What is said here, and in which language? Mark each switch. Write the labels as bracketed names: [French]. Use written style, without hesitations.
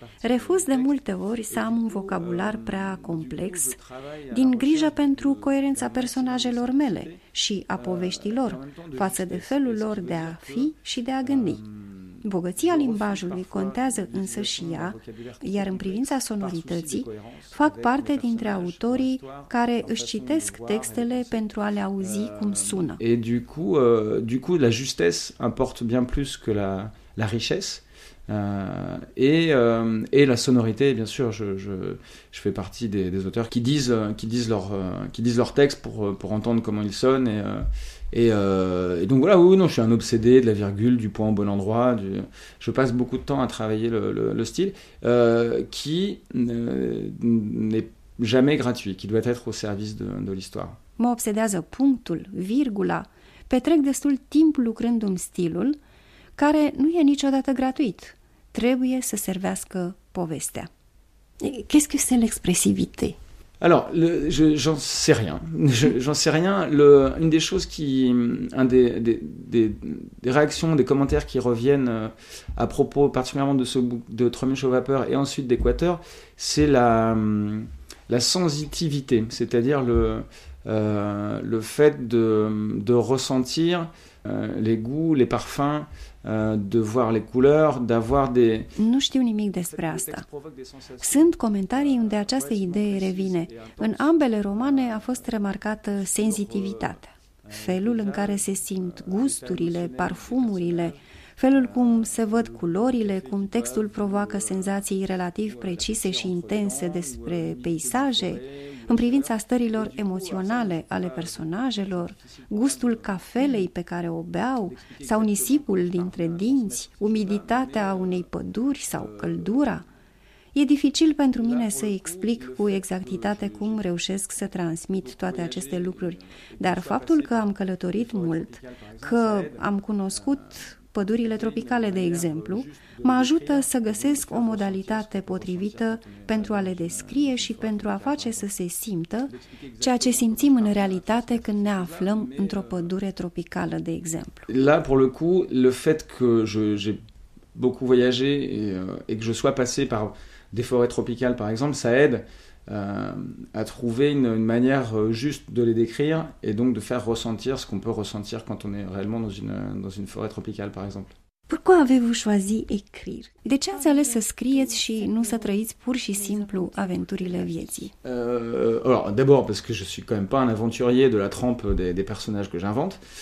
[Romanian] Refuz de multe ori să am un vocabular prea complex din grijă pentru coerența personajelor mele și a poveștilor față de felul lor de a fi și de a gândi. Bogăția limbajului contează însă și ea, iar în privința sonorității, fac parte dintre autorii care își citesc textele pentru a le auzi cum sună. [French] Et du coup la justesse importe bien plus que la richesse. Et la sonorité, bien sûr, je fais partie des auteurs qui disent leur texte pour entendre comment ils sonnent et donc voilà, oui, non, je suis un obsédé de la virgule, du point au bon endroit, je passe beaucoup de temps à travailler le style qui n'est jamais gratuit, qui doit être au service de l'histoire. [Romanian] Mă obsedează punctul, virgula, petrec destul timp lucrându-mi stilul, care nu e niciodată gratuit. Trebuie să servească povestea. [French] Qu'est-ce que c'est l'expressivité? Alors, j'en sais rien. J'en sais rien. Une des choses qui... Des réactions, des commentaires qui reviennent à propos particulièrement de ce bouc de Tremuche au vapeur et ensuite d'Équateur, c'est la sensitivité, c'est-à-dire le fait de ressentir les goûts, les parfums, de voir les couleurs, d'avoir des... [Romanian] Nu știu nimic despre asta. Sunt comentarii unde această idee revine. În ambele romane a fost remarcată senzitivitatea. Felul în care se simt gusturile, parfumurile, felul cum se văd culorile, cum textul provoacă senzații relativ precise și intense despre peisaje, în privința stărilor emoționale ale personajelor, gustul cafelei pe care o beau, sau nisipul dintre dinți, umiditatea unei păduri sau căldura. E dificil pentru mine să explic cu exactitate cum reușesc să transmit toate aceste lucruri, dar faptul că am călătorit mult, că am cunoscut pădurile tropicale, de exemplu, mă ajută să găsesc o modalitate potrivită pentru a le descrie și pentru a face să se simtă ceea ce simțim în realitate când ne aflăm într-o pădure tropicală, de exemplu. [French] Là, pour le coup, le fait que j'ai beaucoup voyagé et que je sois passé par des forêts tropicales, par exemple, ça aide à trouver une manière juste de les décrire et donc de faire ressentir ce qu'on peut ressentir quand on est réellement dans une forêt tropicale, par exemple. Pourquoi avez-vous choisi écrire? [Romanian] De ce ați ales să scrieți și nu să trăiți pur și simplu aventurile vieții? [French] Alors, d'abord, parce que je suis quand même pas un aventurier de la trempe des personnages que j'invente.